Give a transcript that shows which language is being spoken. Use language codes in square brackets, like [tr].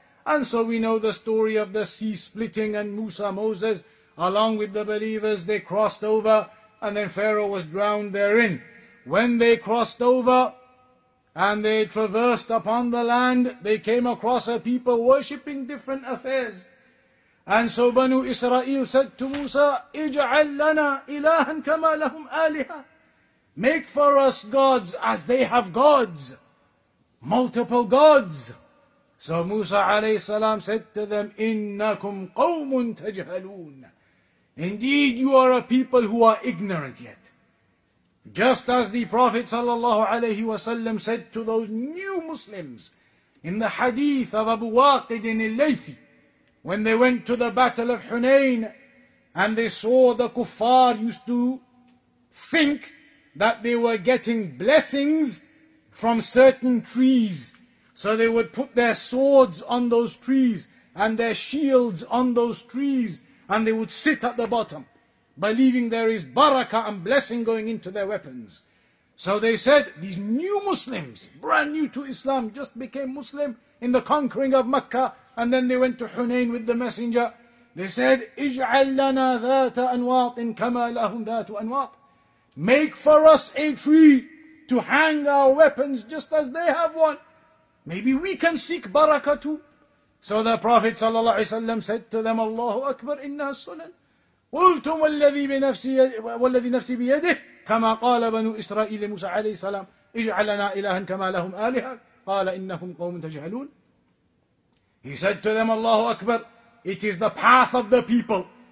[en] And so we know the story of the sea splitting and Musa, Moses, along with the believers, they crossed over and then Pharaoh was drowned therein. When they crossed over and they traversed upon the land, they came across a people worshipping different affairs. And so Banu Israel said to Musa, [ar] اجعل لنا إلها كما لهم آلهة. [en] Make for us gods as they have gods. Multiple gods. So Musa alayhi salam said to them, [ar] إِنَّكُمْ قَوْمٌ تَجْهَلُونَ. [en] Indeed, you are a people who are ignorant yet. Just as the Prophet sallallahu alayhi wa sallam said to those new Muslims in the hadith of Abu Waqid in al-Layfi, when they went to the battle of Hunayn and they saw the kuffar used to think that they were getting blessings from certain trees. So they would put their swords on those trees and their shields on those trees and they would sit at the bottom, believing there is barakah and blessing going into their weapons. So they said, these new Muslims, brand new to Islam, just became Muslim in the conquering of Makkah and then they went to Hunayn with the messenger. They said, [ar] اجعل لنا ذات أنواط كما لهم ذات أنواط. [en] Make for us a tree to hang our weapons just as they have one. Maybe we can seek barakah too. So the Prophet ﷺ said to them, Allahu Akbar, inna sunan. [ar] قُلْتُمْ وَالَّذِي نَفْسِي بِيَدِهِ كَمَا قَالَ بَنُوا إِسْرَائِيلِ مُوسَى عَلَيْهِ السَّلَامِ اِجْعَلَنَا إِلَهًا كَمَا لَهُمْ آلِهًا قَالَ إِنَّهُمْ قَوْمٌ تَجْهَلُونَ. [en] He said to them, Allahu Akbar, it is the path of the people.